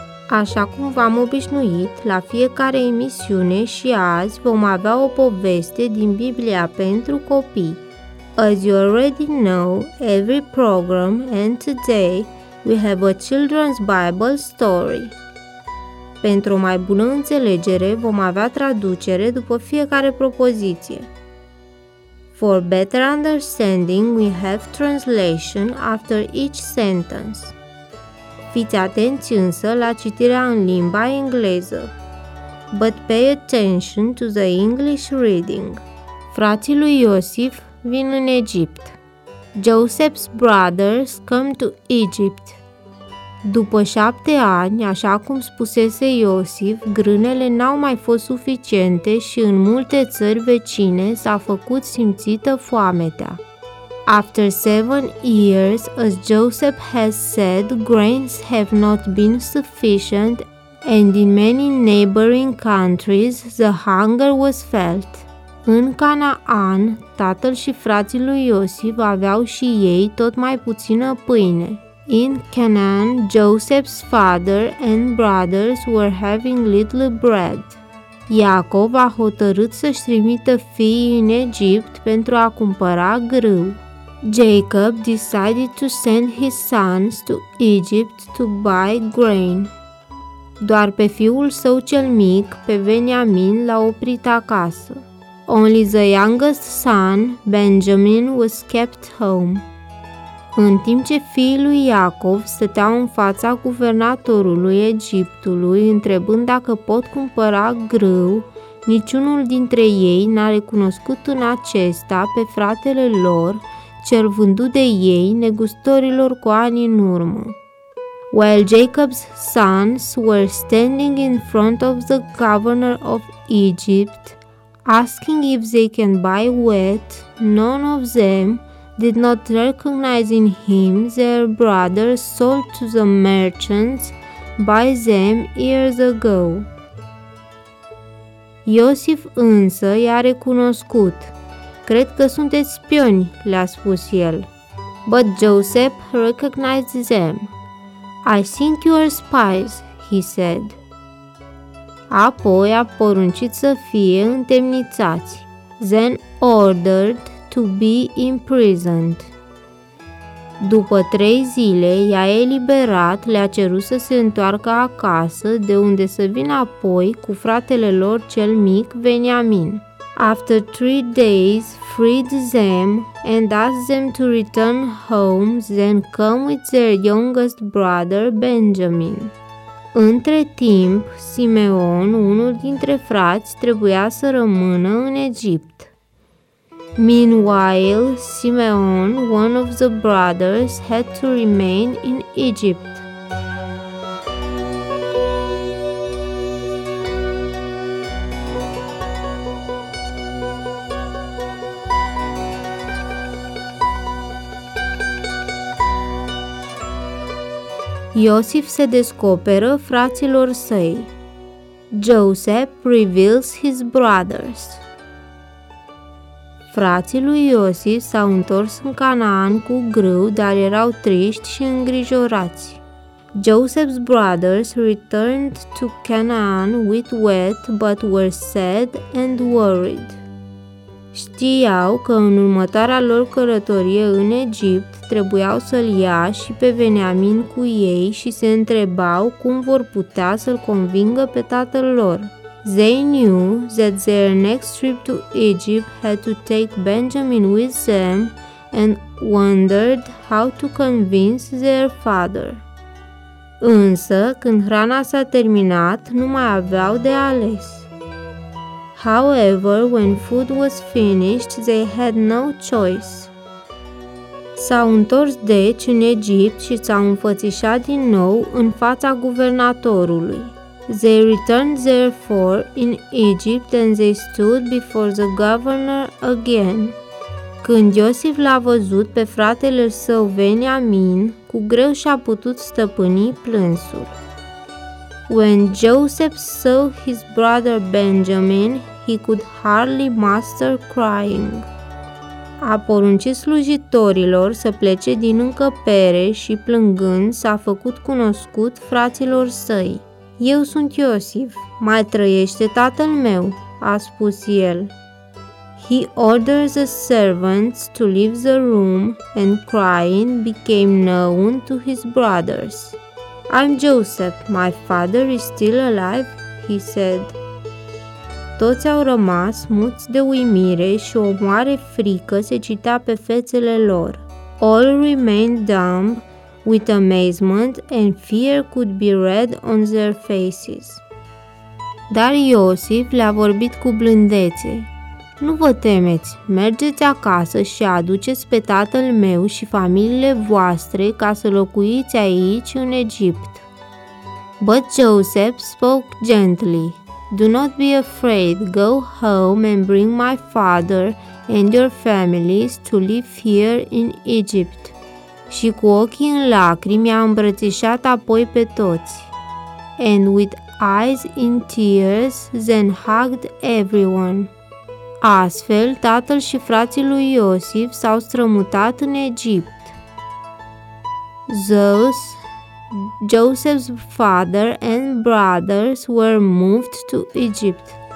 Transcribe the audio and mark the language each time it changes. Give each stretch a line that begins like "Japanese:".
Romanian: Așa cum v-am obișnuit, la fiecare emisiune și azi vom avea o poveste din Biblia pentru copii.
English: As you already know, every program and today we have a children's Bible story.
Romanian: Pentru o mai bună înțelegere, vom avea traducere după fiecare propoziție.
English: For better understanding, we have translation after each sentence.
Romanian: Fiți atenți însă la citirea în limba engleză.
English: But pay attention to the English reading.
Romanian: Frații lui Iosif vin în Egipt.
English: Joseph's brothers come to Egypt.
Romanian: După 7 ani, așa cum spusese Iosif, grânele n-au mai fost suficiente și în multe țări vecine s-a făcut simțită foametea.
English: After 7 years, as Joseph has said, grains have not been sufficient, and in many neighboring countries, the hunger was felt.
Romanian: În Canaan, tatăl și frații lui Iosif aveau și ei tot mai puțină pâine.
English: In Canaan, Joseph's father and brothers were having little bread.
Romanian: Iacov a hotărât să-și trimită fiii în Egipt pentru a cumpăra grâu.
English: Jacob decided to send his sons to Egypt to buy grain.
Romanian: Doar pe fiul său cel mic, pe Beniamin, l-a oprit acasă.
English: Only the youngest son, Benjamin, was kept home.
Romanian: În timp ce fiul lui Iacov stătea în fața guvernatorului Egiptului, întrebând dacă pot cumpăra grâu, niciunul dintre ei n-a recunoscut în acesta pe fratele lor, cel vândut de ei negustorilor cu ani în urmă.
English: While Jacob's sons were standing in front of the governor of Egypt, asking if they can buy wheat, none of them did not recognize in him their brother sold to the merchants by them years ago.
Romanian: Iosif însă i-a recunoscut. Cred că sunteți spioni, le-a spus el.
English: But Joseph recognized them. I think you are spies, he said.
Romanian: Apoi a poruncit să fie întemnițați.
English: Then ordered to be imprisoned.
Romanian: După 3 zile, ea e eliberat, le-a cerut să se întoarcă acasă, de unde să vină apoi cu fratele lor cel mic, Benjamin.
English: After 3 days, freed them and asked them to return home, then come with their youngest brother, Benjamin.
Romanian: Între timp, Simeon, unul dintre frați, trebuia să rămână în Egipt.
English: Meanwhile, Simeon, one of the brothers, had to remain in Egypt.
Romanian: Iosif se descoperă fraților săi.
English: Joseph reveals his brothers.
Romanian: Frații lui Iosif s-au întors în Canaan cu greu, dar erau triști și îngrijorați.
English: Joseph's brothers returned to Canaan with wet, but were sad and worried.
Romanian: Știau că în următoarea lor călătorie în Egipt trebuiau să-l ia și pe Beniamin cu ei și se întrebau cum vor putea să-l convingă pe tatăl lor.
English: They knew that their next trip to Egypt had to take Benjamin with them and wondered how to convince their father.
Romanian: Însă, când hrana s-a terminat, nu mai aveau de ales.
English: However, when food was finished, they had no choice.
Romanian: S-au întors deci în Egipt și s-au înfățișat din nou în fața guvernatorului.
English: They returned therefore in Egypt and they stood before the governor again.
Romanian: Când Iosif l-a văzut pe fratele său Beniamin, cu greu și-a putut stăpâni plânsul.
English: When Joseph saw his brother Benjamin, he could hardly master crying.
Romanian: A poruncit slujitorilor să plece din încăpere și plângând s-a făcut cunoscut fraților săi. Eu sunt Iosif, mai trăiește tatăl meu, a spus el.
English: He ordered the servants to leave the room and crying became known to his brothers. I'm Joseph, my father is still alive, he said.
Romanian: Toți au rămas muți de uimire și o mare frică se citea pe fețele lor.
English: All remained dumb with amazement and fear could be read on their faces.
Romanian: Dar Iosif le-a vorbit cu blândețe. Nu vă temeți, mergeți acasă și aduceți pe tatăl meu și familiile voastre ca să locuiți aici în Egipt.
English: But Joseph spoke gently. Do not be afraid, go home and bring my father and your families to live here in Egypt.
Romanian: Și cu ochii în lacrimi a îmbrățișat apoi pe toți.
English: And with eyes in tears, then hugged everyone.
Romanian: Astfel, tatăl și frații lui Iosif s-au strămutat în Egipt.
English: Thus, Joseph's father and brothers were moved to Egypt.